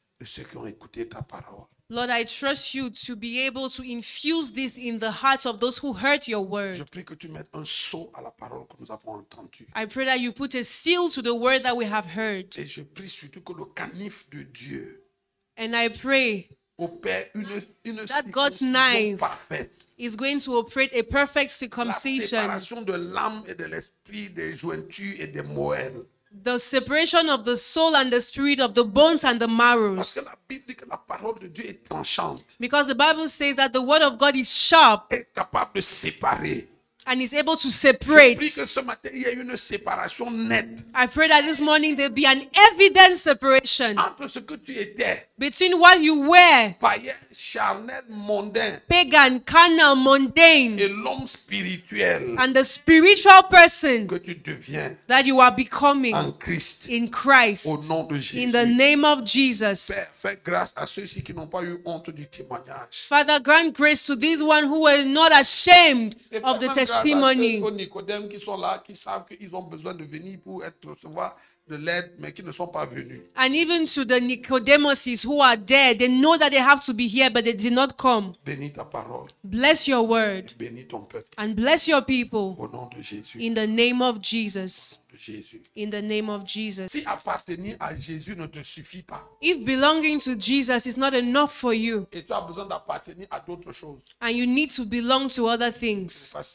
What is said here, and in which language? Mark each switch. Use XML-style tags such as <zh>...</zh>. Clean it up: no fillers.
<fr>Ceux qui ont écouté ta parole.</fr> <en>Lord, I trust you to be able to infuse this in the hearts of those who heard your word.</en> <fr>Je prie que tu mettes un sceau à la parole que nous avons entendue.</fr> <en>I pray that you put a seal to the word that we have heard.</en> <fr>Et je prie surtout que le canif de Dieu.</fr> <en>And I pray</en> <fr>opère une</fr> <en>that God's knife is going to operate a perfect circumcision.</en> <fr>La séparation de l'âme et de l'esprit, des jointures et des moelles.</fr> <en>The separation of the soul and the spirit, of the bones and the marrows.</en> <fr>Parce que la Bible dit que la parole de Dieu est tranchante.</fr> <en>Because the Bible says that the word of God is sharp.</en> <fr>Est capable de séparer.</fr> <en>And is able to separate.</en> <fr>Je prie que ce matin, il y a une séparation nette.</fr> <en>I pray that this morning there be an evident separation.</en> <fr>Entre ce que tu étais.</fr> <en>Between what you were.</en> <fr>Païen, charnel, mondain.</fr> <en>Pagan, carnal, mundane.</en> <fr>Et l'homme spirituel.</fr> <en>And the spiritual person.</en> <fr>Que tu deviens.</fr> <en>That you are becoming.</en> <fr>En Christ.</fr> <en>In Christ.</en> <fr>Au nom de Jésus.</fr> <en>In the name of Jesus.</en> <fr>Père, fais grâce à ceux-ci qui n'ont pas eu honte du témoignage.</fr> <en>Father, grant grace to this one who was not ashamed of the testimony.</en> <fr>Nicodème qui sont là, qui savent qu'ils ont besoin de venir pour être recevoir de l'aide, mais qui ne sont pas venus.</fr> <en>And even to the Nicodemuses who are there, they know that they have to be here, but they did not come.</en> <fr>Bénis ta parole.</fr> <en>Bless your word.</en> <fr>Et bénis ton peuple.</fr> <en>And bless your people.</en> <fr>Au nom de Jésus.</fr> <en>In the name of Jesus.</en> <fr>Jésus.</fr> <en>In the name of Jesus.</en> <fr>Si appartenir à Jésus ne te suffit pas.</fr> <en>If belonging to Jesus is not enough for you.</en> <fr>Et tu as besoin d'appartenir à d'autres choses.</fr> <en>And you need to belong to other things.</en>